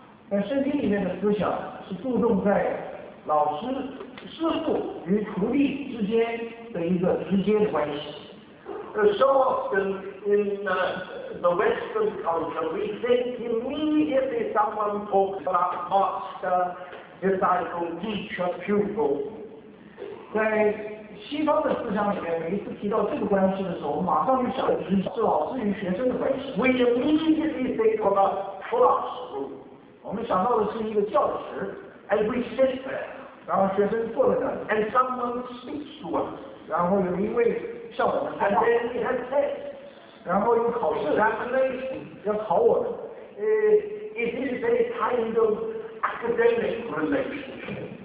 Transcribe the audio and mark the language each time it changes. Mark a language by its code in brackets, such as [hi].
[zh] 但圣经里面的思想是注重在老师、师父与徒弟之间的一个直接的关系。 [en] So often in the Western culture, we think immediately someone talks about master, disciple, teacher, pupil. [zh] 在西方的思想里面，每一次提到这个关系的时候，我们马上就想的是老师与学生的关系。 [en] We immediately think of a classroom. [zh] 我们想到的是一个教室。 [en] And we sit there. [zh] 然后学生坐在那里。 [en] And someone speaks to us. [zh] 然后有一位向我们开 [en] 导。And then we have tests. [zh] 然后有考试。 [en] Examination. [zh] 要考我们。 [en] It is a kind of academic relationship.